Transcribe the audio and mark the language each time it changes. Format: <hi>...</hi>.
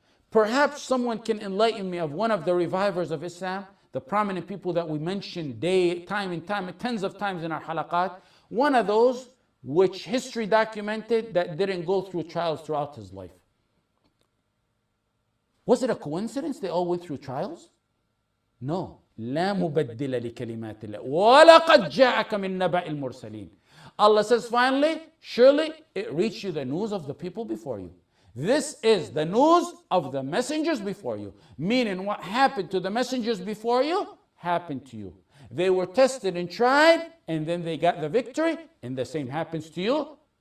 <en>Perhaps someone can enlighten me of one of the revivers of Islam, the prominent people that we mention day, time and time, tens of times in our halaqat, one of those which history documented that didn't go through trials throughout his life. Was it a coincidence they all went through trials? No.</en> <ar>لا مبدل لكلمات الله ولقد جاءك من نبأ المرسلين.</ar> <en>Allah says, finally, surely it reached you the news of the people before you. This is the news of the messengers before you. Meaning what happened to the messengers before you happened to you. They were tested and tried, and then they got the victory, and the same happens to you.</en>